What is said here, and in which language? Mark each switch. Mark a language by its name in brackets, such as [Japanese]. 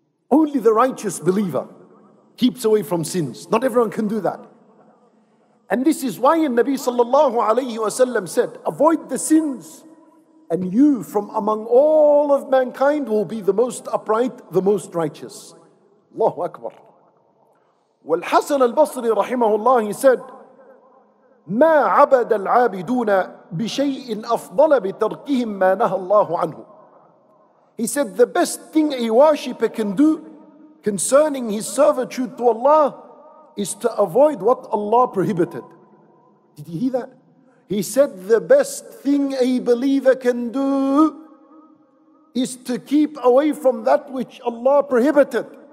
[English] Only the righteous believer keeps away from sins. Not everyone can do that. And this is why the Nabi sallallahu alayhi wa sallam said, avoid the sins, and you from among all of mankind will be the most upright, the most righteous. Allahu Akbar. [Arabic] Wal Hasan al-Basri rahimahullah, [English] he said, [Arabic] مَا عَبَدَ الْعَابِدُونَ بِشَيْءٍ أَفْضَلَ بِتَرْكِهِمْ مَا نَهَى اللَّهُ عَنْهُ. [English] He said, the best thing a worshipper can do concerning his servitude to Allah is to avoid what Allah prohibited. Did you hear that? He said, the best thing a believer can do is to keep away from that which Allah prohibited.